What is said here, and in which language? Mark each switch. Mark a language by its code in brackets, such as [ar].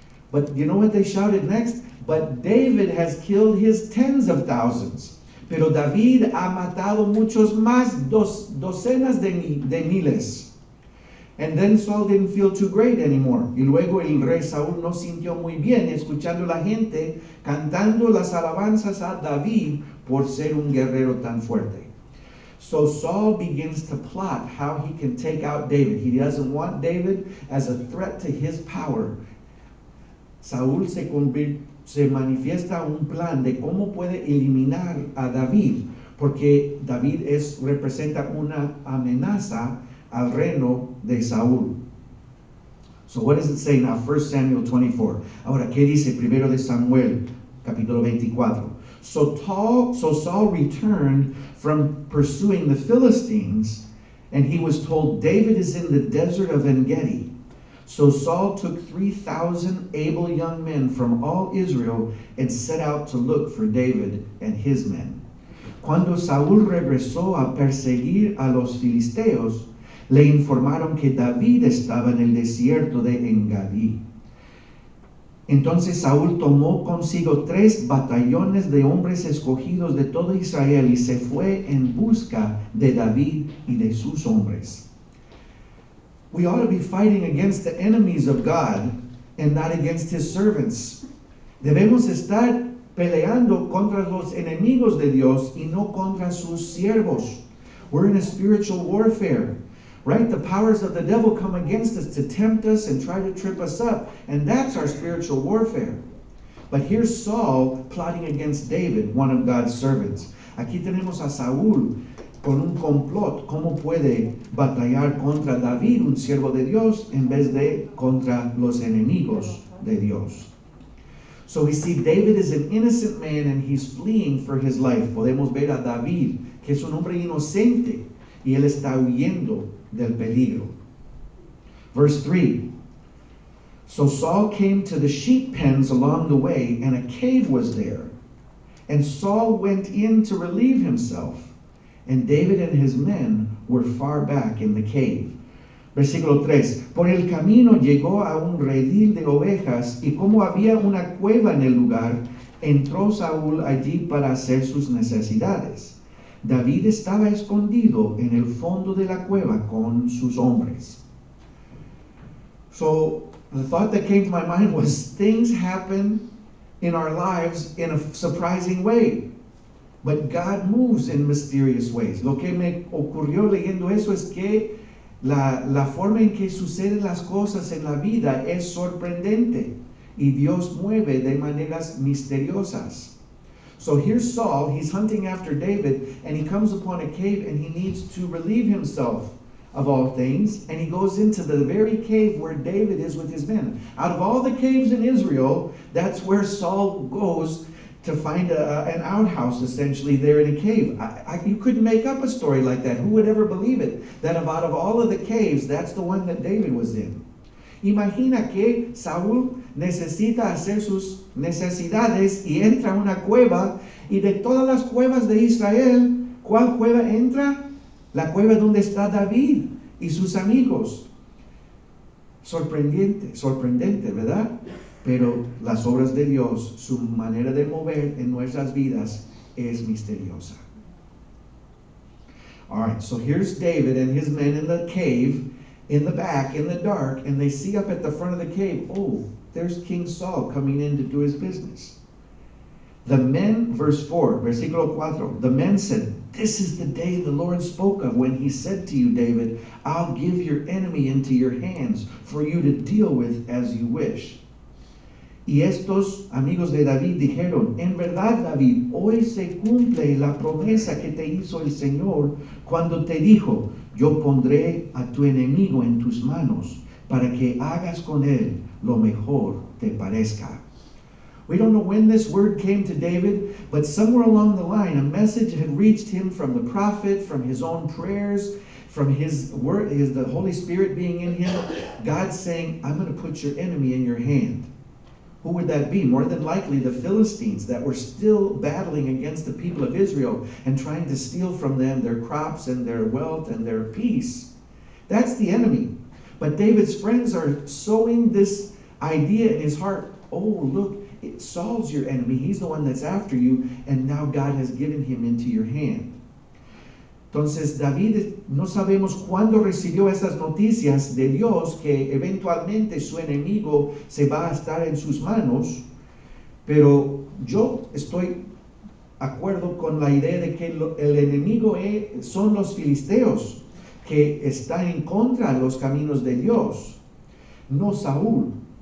[en] But you know what they shouted next? But David has killed his tens of thousands. [es] Pero David ha matado muchos más, docenas de miles. [en] And then Saul didn't feel too great anymore. [es] Y luego el rey Saúl no sintió muy bien escuchando la gente cantando las alabanzas a David por ser un guerrero tan fuerte. [en] So Saul begins to plot how he can take out David. He doesn't want David as a threat to his power. [es] Saúl se manifiesta un plan de cómo puede eliminar a David, porque David representa una amenaza al reino de Saúl. [en] So what does it say now, 1 Samuel 24? [es] Ahora, ¿qué dice primero de Samuel, capítulo 24? [en] So Saul returned from pursuing the Philistines, and he was told, David is in the desert of En-Gedi. So Saul took 3,000 able young men from all Israel and set out to look for David and his men. [es] Cuando Saúl regresó a perseguir a los filisteos, le informaron que David estaba en el desierto de Engadí. Entonces Saúl tomó consigo 3 batallones de hombres escogidos de todo Israel y se fue en busca de David y de sus hombres. [en] We ought to be fighting against the enemies of God and not against his servants. [es] Debemos estar peleando contra los enemigos de Dios y no contra sus siervos. [en] We're in a spiritual warfare. Right? The powers of the devil come against us to tempt us and try to trip us up. And that's our spiritual warfare. But here's Saul plotting against David, one of God's servants. [es] Aquí tenemos a Saúl con un complot. ¿Cómo puede batallar contra David, un siervo de Dios, en vez de contra los enemigos de Dios? [en] So we see David is an innocent man and he's fleeing for his life. [es] Podemos ver a David, que es un hombre inocente, y él está huyendo del peligro. [en] Verse 3. So Saul came to the sheep pens along the way, and a cave was there. And Saul went in to relieve himself, and David and his men were far back in the cave. [es] Versículo 3. Por el camino llegó a un redil de ovejas, y como había una cueva en el lugar, entró Saúl allí para hacer sus necesidades. David estaba escondido en el fondo de la cueva con sus hombres. [en] So, the thought that came to my mind was things happen in our lives in a surprising way. But God moves in mysterious ways. [es] Lo que me ocurrió leyendo eso es que la forma en que suceden las cosas en la vida es sorprendente. Y Dios mueve de maneras misteriosas. [en] So here's Saul, he's hunting after David, and he comes upon a cave, and he needs to relieve himself of all things, and he goes into the very cave where David is with his men. Out of all the caves in Israel, that's where Saul goes to find an outhouse, essentially, there in a cave. You couldn't make up a story like that. Who would ever believe it? That out of all of the caves, that's the one that David was in. [es] Imagina que Saúl necesita hacer sus necesidades y entra a una cueva. Y de todas las cuevas de Israel, ¿cuál cueva entra? La cueva donde está David y sus amigos. Sorprendente, sorprendente, ¿verdad? Pero las obras de Dios, su manera de mover en nuestras vidas es misteriosa. [en] All right, so here's David and his men in the cave. In the back, in the dark, and they see up at the front of the cave, oh, there's King Saul coming in to do his business. The men, verse 4, [es] versículo 4, [en] the men said, this is the day the Lord spoke of when he said to you, David, I'll give your enemy into your hands for you to deal with as you wish. [es] Y estos amigos de David dijeron, en verdad, David, hoy se cumple la promesa que te hizo el Señor cuando te dijo, yo pondré a tu enemigo en tus manos para que hagas con él lo mejor te parezca. [en] We don't know when this word came to David, but somewhere along the line, a message had reached him from the prophet, from his own prayers, from his word, the Holy Spirit being in him, God saying, I'm going to put your enemy in your hand. Who would that be? More than likely the Philistines that were still battling against the people of Israel and trying to steal from them their crops and their wealth and their peace. That's the enemy. But David's friends are sowing this idea in his heart. Oh, look, it solves your enemy. He's the one that's after you. And now God has given him into your hand. [es] Entonces, David, no sabemos cuándo recibió esas noticias de Dios que eventualmente su enemigo se va a estar en sus manos, pero yo estoy de acuerdo con la idea de que el enemigo son los filisteos que están en contra de los caminos de Dios, no Saúl.